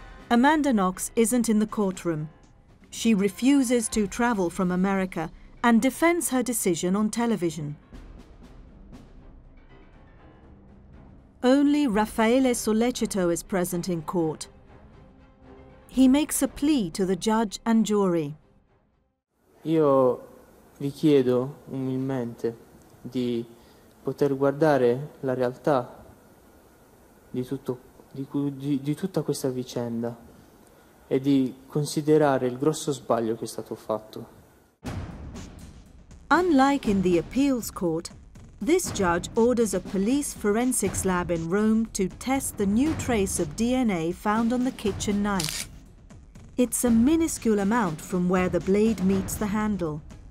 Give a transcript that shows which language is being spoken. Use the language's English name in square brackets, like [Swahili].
[English] Amanda Knox isn't in the courtroom. She refuses to travel from America and defends her decision on television. Only Raffaele Sollecito is present in court. He makes a plea to the judge and jury. [Italian] Io vi chiedo umilmente di poter guardare la realtà di tutta questa vicenda e di considerare il grosso sbaglio che è stato fatto. [English] Unlike in the appeals court, this judge orders a police forensics lab in Rome to test the new trace of DNA found on the kitchen knife. It's a minuscule amount from where the blade meets the handle.